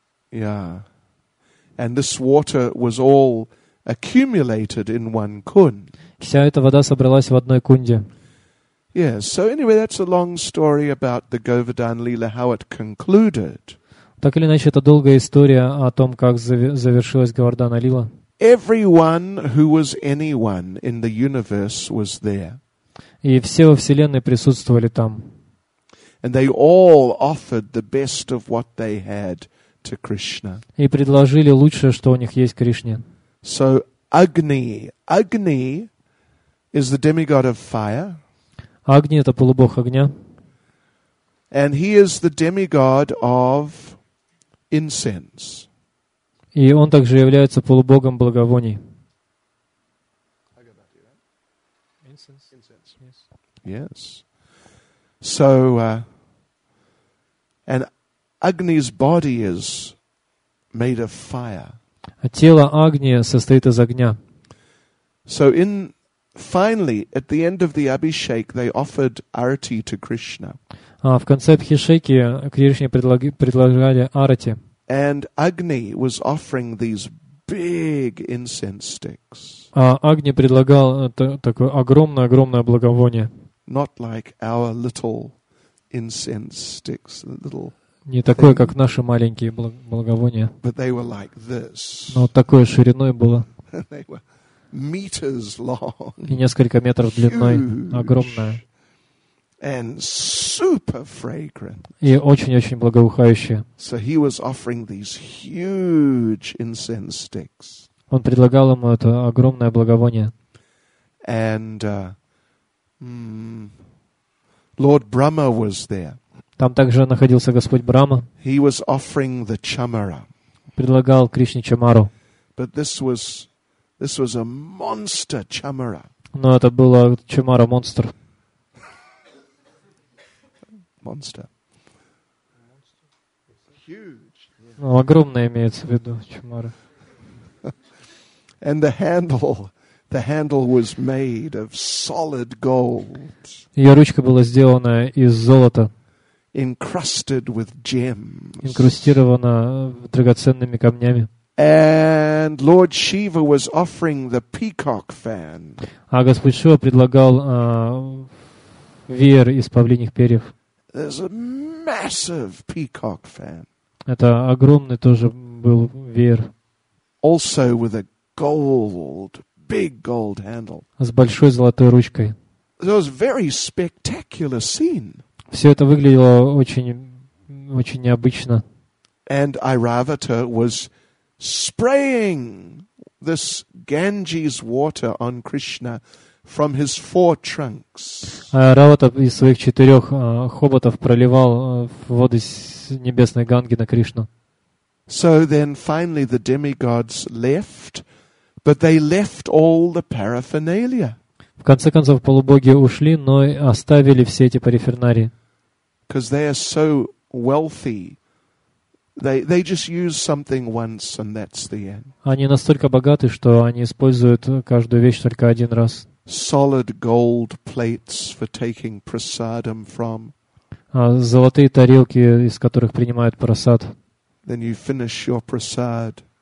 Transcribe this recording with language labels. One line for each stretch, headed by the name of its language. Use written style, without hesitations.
English: Yeah. And this water was all accumulated in one kun.
Russian: Вся эта вода собралась в одной кунде.
English: Yeah, so anyway, that's a long story about the Govardhan Lila, how it concluded.
Russian: Так или иначе, это долгая история о том, как завершилась Говардхана Лила.
English: Everyone who was anyone in the universe was there.
Russian: И все во Вселенной присутствовали там.
English: And they all offered the best of what they had to Krishna.
Russian: И предложили лучшее, что у них есть Кришне.
English: So Agni, Agni is the demigod of fire.
Russian: Агни это полубог огня.
English: And he is the demigod of incense.
Russian: И он также является полубогом благовоний.
English: Yes. So and Agni's body is made of fire.
Russian: А тело Агни состоит из огня.
English: So in finally at the end of the Abhishek they offered arati to Krishna.
Russian: А в конце Абхишеки Кришне предлагали арати.
English: And Agni was offering these big incense sticks.
Russian: А Агни предлагал такое огромное благовоние.
English: Not like our little incense sticks, little.
Russian: Не такое, как наши маленькие благовония.
English: But they were like this.
Russian: Но такое шириной было.
English: They were meters long.
Russian: И несколько метров длиной, огромное.
English: And super fragrant.
Russian: И очень благоухающее.
English: So he was offering these huge incense sticks.
Russian: Он предлагал ему это огромное благовоние.
English: And Lord Brahma was there.
Russian: Там также находился Господь Брама.
English: He was offering the chamara.
Russian: Предлагал Кришне чамару.
English: But this was a monster chamara.
Russian: Но это было чамара монстр.
English: Monster. Huge.
Russian: Ну, огромное имеется в виду чамара.
English: And the handle. The handle was made of solid gold.
Russian: Ее ручка была сделана из золота.
English: Encrusted with gems.
Russian: Инкрустирована драгоценными камнями.
English: And Lord Shiva was offering the peacock fan.
Russian: А Господь Шива предлагал веер из павлиньих перьев.
English: There's a massive peacock fan.
Russian: Это огромный тоже был веер.
English: Also with a gold. Big gold handle.
Russian: С большой золотой ручкой.
English: It was a very spectacular scene.
Russian: Все это выглядело очень необычно.
English: And Airavata was spraying this Ganges water on Krishna from his four trunks.
Russian: Airavata из своих четырех хоботов проливал воды с небесной Ганги на Кришну.
English: So then finally the demigods left. But they left all the paraphernalia.
Russian: В конце концов, полубоги ушли, но оставили все эти периферналии.
English: Because they are so wealthy, they just use something once and that's the end.
Russian: Они настолько богаты, что они используют каждую вещь только один раз.
English: Solid gold plates for taking prasadam from.
Russian: Золотые тарелки, из которых принимают прасад.
English: Then you finish your prasad.